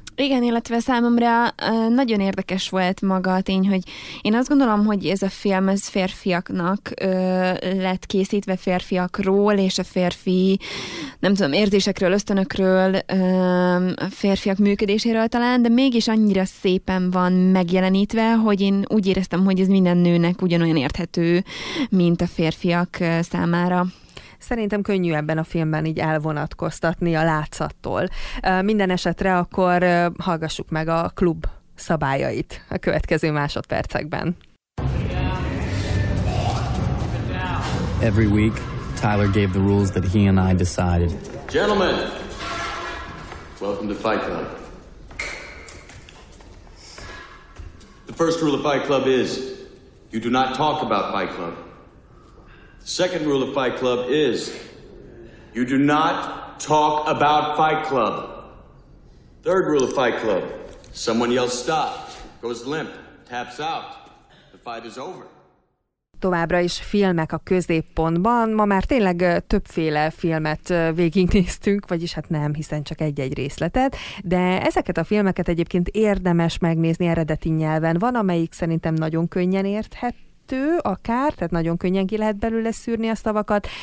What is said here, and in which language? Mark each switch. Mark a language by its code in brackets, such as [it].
[hu] Igen, illetve számomra nagyon érdekes volt maga a tény, hogy én azt gondolom, hogy ez a film ez férfiaknak lett készítve, férfiakról, és a férfi, nem tudom, érzésekről, ösztönökről, férfiak működéséről talán, de mégis annyira szép van megjelenítve, hogy én úgy éreztem, hogy ez minden nőnek ugyanolyan érthető, mint a férfiak számára. Szerintem könnyű ebben a filmben így elvonatkoztatni a látszattól. Minden esetre akkor hallgassuk meg a klub szabályait a következő másodpercekben. [en] Every week, Tyler gave the rules that he and I decided. Gentlemen, welcome to Fight Club. The first rule of Fight Club is, you do not talk about Fight Club. The second rule of Fight Club is, you do not talk about Fight Club. Third rule of Fight Club, someone yells stop, goes limp, taps out, the fight is over. [hu] Továbbra is filmek a középpontban. Ma már tényleg többféle filmet végignéztünk, vagyis hát nem, hiszen csak egy-egy részletet, de ezeket a filmeket egyébként érdemes megnézni eredeti nyelven. Van, amelyik szerintem nagyon könnyen érthető akár, tehát nagyon könnyen ki lehet belőle szűrni a szavakat.